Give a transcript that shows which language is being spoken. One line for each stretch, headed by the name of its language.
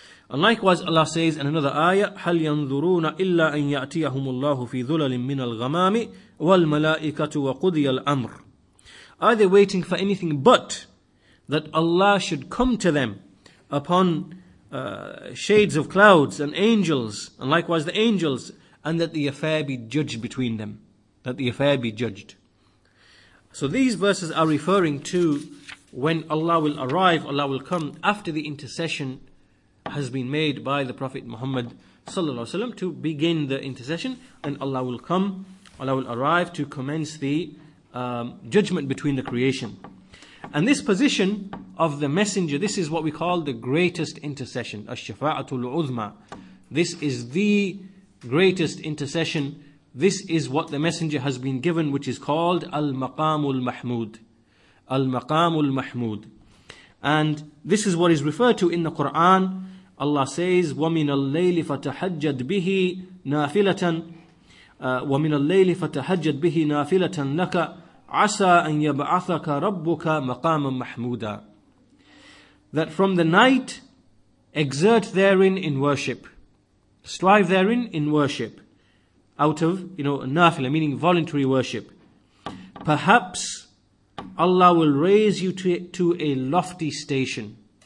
English: And likewise, Allah says in another ayah,
Arabic: هَلْ يَنْظُرُونَ إِلَّا أَنْ يَأْتِيَهُمُ اللَّهُ فِي ذُلَلٍ مِّنَ الْغَمَامِ وَالْمَلَائِكَةُ وَقُضِيَ الْأَمْرِ.
English: Are they waiting for anything but that Allah should come to them upon shades of clouds and angels, and likewise the angels, and that the affair be judged between them, that the affair be judged. So these verses are referring to when Allah will arrive, Allah will come after the intercession has been made by the Prophet Muhammad sallallahu alaihi wasallam to begin the intercession, and Allah will come, Allah will arrive to commence the judgment between the creation. And this position of the messenger, this is what we call the greatest intercession, ash-shafa'atul uzma. This is the greatest intercession. This is what the messenger has been given, which is called al-maqamul mahmud. Al-maqamul mahmud. And this is what is referred to in the Quran. Allah says,
Arabic: وَمِنَ اللَّيْلِ فَتَحَجَّدْ بِهِ نَافِلَةً وَمِنَ اللَّيْلِ فَتَحَجَّدْ بِهِ نَافِلَةً لَكَ عَسَىٰ أَنْ يَبْعَثَكَ رَبُّكَ مَقَامًا مَحْمُودًا.
English: That from the night, exert therein in worship. Strive therein in worship. Out of, you know, nafila, meaning voluntary worship. Perhaps Allah will raise you to a lofty station.